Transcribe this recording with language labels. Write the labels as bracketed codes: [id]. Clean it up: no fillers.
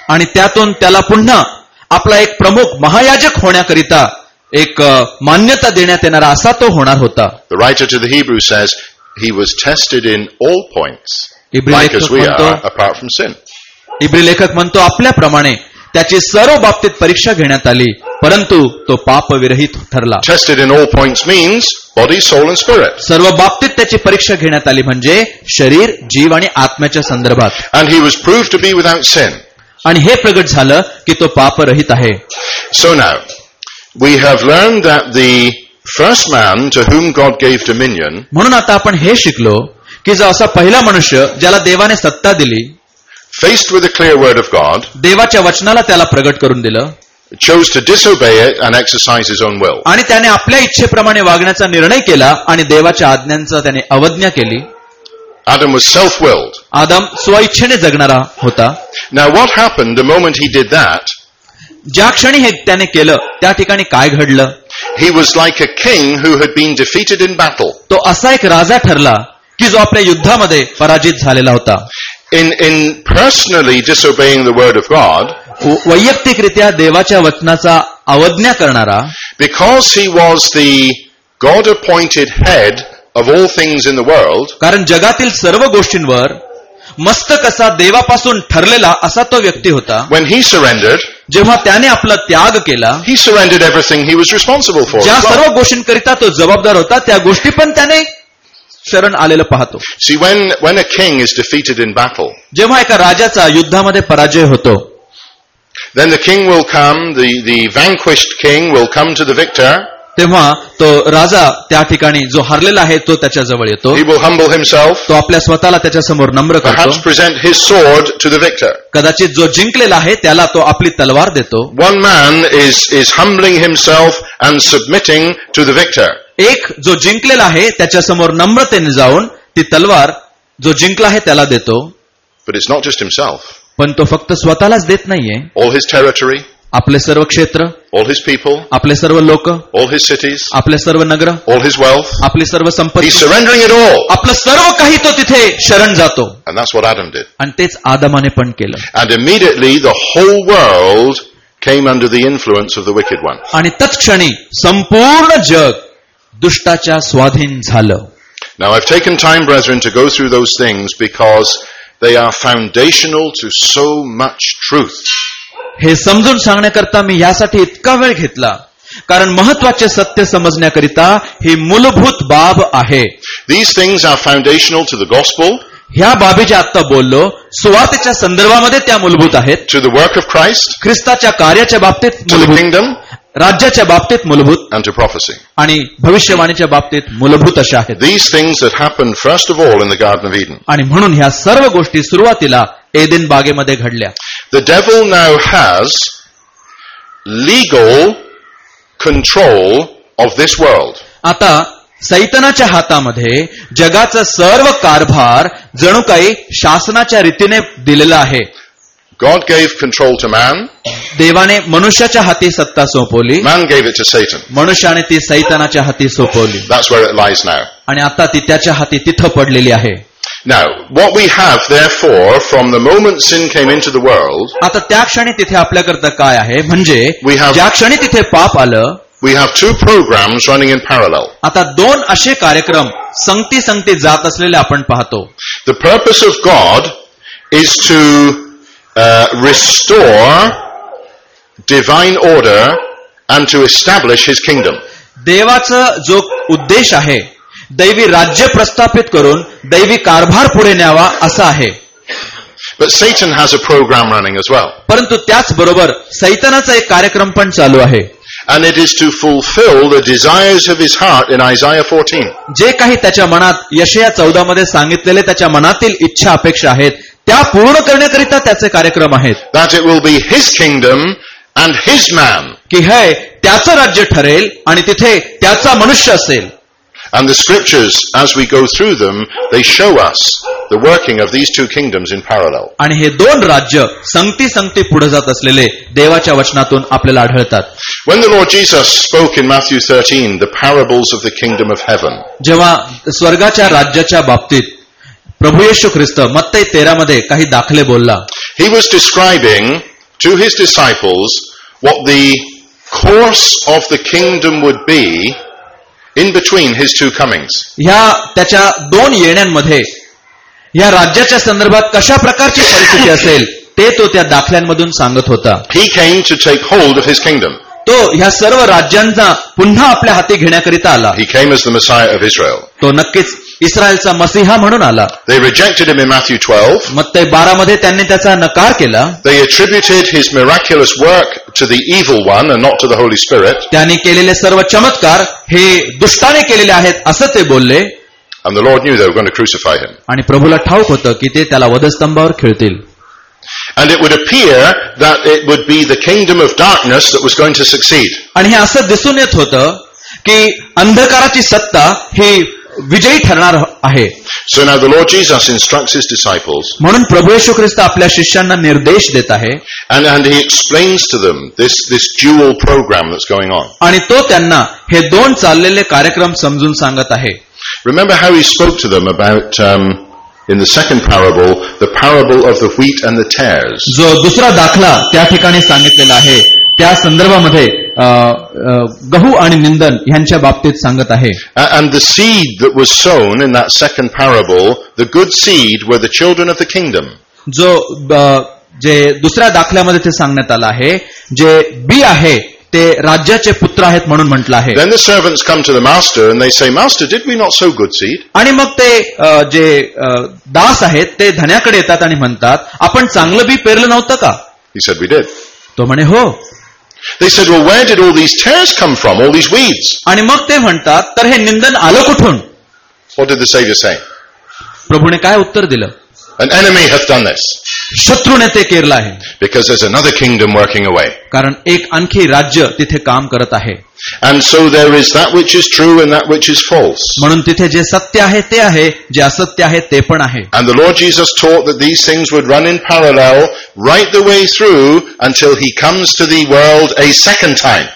[mr] आणि त्यातून त्याला पुन्हा आपला एक प्रमुख महायाजक होण्याकरिता एक मान्यता देण्यात येणारा असा तो होणार होता. [en] The writer to the Hebrews says he was tested in all points like as we are apart from sin. [mr] इब्री लेखक म्हणतो आपल्याप्रमाणे त्याची सर्व बाबतीत परीक्षा घेण्यात आली परंतु तो पाप विरहित ठरला. [en] Tested in all points means body, soul and spirit. [mr] सर्व बाबतीत त्याची परीक्षा घेण्यात आली म्हणजे शरीर, जीव आणि आत्म्याच्या संदर्भात. [en] And he was proved to be without sin. [mr] आणि हे प्रगट झालं की तो पाप रहित आहे. [en] So now we have learned that the first man to whom God gave dominion. [mr] म्हणून आता आपण हे शिकलो की जो असा पहिला मनुष्य ज्याला देवाने सत्ता दिली, [en] faced with the clear word of God, [mr] देवाच्या वचनाला त्याला प्रगट करून दिलं, [en] chose to disobey it and exercise his own will. [mr] आणि त्याने आपल्या इच्छेप्रमाणे वागण्याचा निर्णय केला आणि देवाच्या आज्ञांचा त्याने अवज्ञा केली. [en] Adam was self-willed. [mr] आदम स्वइच्छेने जगणारा होता. [en] Now what happened the moment he did that? [mr] ज्या क्षणी हे त्याने केलं त्या ठिकाणी काय घडलं? [en] He was like a king who had been defeated in battle. [mr] तो असा एक राजा ठरला की जो आपल्या युद्धामध्ये पराजित झालेला होता. [en] In personally disobeying the word of God, [mr] वैयक्तिकरित्या देवाच्या वचनाचा अवज्ञा करणारा, [en] because he was the God-appointed head of all things in the world, [mr] कारण जगातील सर्व गोष्टींवर मस्तक असा देवापासून ठरलेला असा तो व्यक्ती होता. [en] When he surrendered, [mr] जेव्हा त्याने आपला त्याग केला, [en] he surrendered everything he was responsible for. [mr] ज्या सर्व गोष्टींकरिता तो जबाबदार होता त्या गोष्टी पण त्याने शरण आलेलं पाहतो. [en] See, when a king is defeated in battle, [mr] जेव्हा एका राजाचा युद्धामध्ये पराजय होतो, [en] then the king will come, the vanquished king will come to the victor. [mr] तेव्हा तो राजा त्या ठिकाणी जो हरलेला आहे तो त्याच्याजवळ येतो. [en] He will humble himself. [mr] तो आपल्या स्वतःला त्याच्यासमोर नम्र करतो. [en] Perhaps present his sword to the victor. [mr] कदाचित जो जिंकलेला आहे त्याला तो आपली तलवार देतो. [en] One man is humbling himself and submitting to the victor. [mr] एक जो जिंकलेला आहे त्याच्यासमोर नम्रतेने जाऊन ती तलवार जो जिंकला आहे त्याला देतो. [en] But it's not just himself. [mr] पण तो फक्त स्वतःलाच देत नाहीये. [en] All his territory. [mr] आपले सर्व क्षेत्र. [en] All his people. [mr] आपले सर्व लोक. [en] All his cities. [mr] आपले सर्व नगर. [en] All his wealth. [mr] आपली सर्व संपत्ती. [en] He's surrendering it all. [mr] आपलं सर्व काही तो तिथे शरण जातो. [en] And that's what Adam did. [mr] आणि तेच आदमाने पण केलं. [en] And immediately the whole world came under the influence of the wicked one. [mr] आणि तत्क्षणी संपूर्ण जग दुष्टाच्या स्वाधीन झालं. [en] Now I've taken time, brethren, to go through those things because they are foundational to so much truth. [mr] हे समजून सांगण्याकरता मी यासाठी इतका वेळ घेतला कारण महत्वाचे सत्य समजण्याकरिता ही मूलभूत बाब आहे. [en] These things are foundational to the gospel. [mr] ह्या बाबी ज्या आता बोललो सुवार्तेच्या संदर्भामध्ये त्या मूलभूत आहेत. [en] To the work of Christ. [mr] ख्रिस्ताच्या कार्याच्या बाबतीत. [en] To the kingdom. [mr] राज्याच्या बाबतीत मूलभूत. [en] And prophecy. [mr] आणि भविष्यवाणीच्या बाबतीत मूलभूत अशा आहेत. [en] These things that happen first of all in the garden of Eden. [mr] आणि म्हणून ह्या सर्व गोष्टी सुरुवातीला एदेन बागेमध्ये घडल्या. [en] The devil now has legal control of this world. [mr] आता सैतानाच्या हातामध्ये जगाचा सर्व कारभार जणू काही शासनाच्या रीतीने दिलेला आहे. [en] God gave control to man. [mr] देवाने मनुष्याच्या हाती सत्ता सोपवली. [en] Man gave it to Satan. [mr] मनुष्याने ती सैतानाच्या हाती सोपवली. [en] That's where it lies now. [mr] आणि आता ती त्याच्या हाती तिथे पडलेली आहे. [en] Now, what we have, therefore, from the moment sin came into the world, [mr] आता त्या क्षणी तिथे आपल्याकरता काय आहे म्हणजे ज्या क्षणी तिथे पाप आलं, [en] we have two programs running in parallel. [mr] आता दोन असे कार्यक्रम संगती संगती जात असलेले आपण पाहतो. [en] The purpose of God is to restore divine order and to establish his kingdom. [mr] देवाचा जो उद्देश आहे दैवी राज्य प्रस्थापित करून दैवी कारभार पुढे न्यावा असा आहे. [en] But Satan has a program running as well. [mr] परंतु त्याचबरोबर सैतानाचा एक कार्यक्रम पण चालू आहे. [en] And it is to fulfill the desires of his heart in Isaiah 14. [mr] जे काही त्याच्या मनात यशया 14 मध्ये सांगितलेले त्याच्या मनातील इच्छा अपेक्षा आहेत त्या पूर्ण करण्याकरिता त्याचे कार्यक्रम आहेत. [en] That it will be his kingdom and his man. [mr] की हे त्याचं राज्य ठरेल आणि तिथे त्याचा मनुष्य असेल. [en] And the scriptures, as we go through them, they show us the working of these two kingdoms in parallel. [mr] आणि हे दोन राज्य संगती संगती पुढे जात असलेले देवाच्या वचनातून आपल्याला आढळतात. [en] When the Lord Jesus spoke in Matthew 13, the parables of the kingdom of heaven. [mr] जेव्हा स्वर्गाच्या राज्याच्या बाबतीत प्रभू येशू ख्रिस्त मत्तै 13 मध्ये काही दाखले बोलला. [en] He was describing to his disciples what the course of the kingdom would be in between his two comings. [mr] या त्याच्या दोन येण्यांमध्ये या राज्याच्या संदर्भात कशा प्रकारची परिस्थिती असेल ते तो त्या दाखल्यांमधून सांगत होता. [en] He came to take hold of his kingdom. [mr] तो ह्या सर्व राज्यांचा पुन्हा आपल्या हाती घेण्याकरिता आला. [en] He came as the Messiah of Israel. [mr] तो नक्कीच इस्रायलचा मसीहा म्हणून आला. [en] They rejected him in Matthew 12. [mr] मत्तै 12 मध्ये त्यांनी त्याचा नकार केला. [en] They attributed his miraculous work to the evil one and not to the Holy Spirit. [mr] त्यांनी केलेले सर्व चमत्कार हे दुष्टाने केलेले आहेत असं ते बोलले. [en] And the Lord knew they were going to crucify him. [mr] आणि प्रभूला ठाऊक होतं की ते त्याला वधस्तंभावर खिळतील. [en] And it would appear that it would be the kingdom of darkness that was going to succeed. [mr] आणि हे असं दिसून येत होतं की अंधकाराची सत्ता ही विजयी ठरणार आहे. [en] So now the Lord Jesus instructs his disciples. [mr] म्हणून प्रभू येशू ख्रिस्त आपल्या शिष्यांना निर्देश देत आहे. [en] And he explains to them this dual program that's going on. [mr] आणि तो त्यांना हे दोन चाललेले कार्यक्रम समजून सांगत आहे. [en] Remember how he spoke to them about in the second parable, the parable of the wheat and the tares. [mr] जो दुसरा दाखला त्या ठिकाणी सांगितलेला आहे त्या संदर्भामध्ये गहू आणि निंदन यांच्या बाबतीत सांगत आहे. [en] And the seed that was sown in that second parable, the good seed were the children of the kingdom. [mr] जो जे दुसऱ्या दाखल्यामध्ये ते सांगण्यात आलं आहे जे बी आहे ते राज्याचे पुत्र आहेत म्हणून म्हटलं आहे. [en] Then the servants come to the master and they say, Master, did we not sow good seed? [mr] आणि मग ते जे दास आहेत ते धन्याकडे येतात आणि म्हणतात आपण चांगलं बी पेरलं नव्हतं का. [en] He said, we did. [mr] तो म्हणे हो. [en] They said, well, where did all these tares come from, all these weeds? [mr] आणि मग ते म्हणतात तर हे निंदन आलं कुठून. [en] What did the Savior say? [mr] प्रभूने काय उत्तर दिलं. [en] An enemy has done this. [mr] शत्रूने ते केलं आहे. [en] Because there's another kingdom working away. [mr] कारण एक आणखी राज्य तिथे काम करत आहे. [en] And so there is that which is true and that which is false. [mr] म्हणून तिथे जे सत्य आहे ते आहे जे असत्य आहे ते पण आहे. [en] And the Lord Jesus taught that these things would run in parallel right the way through until he comes to the world a second time.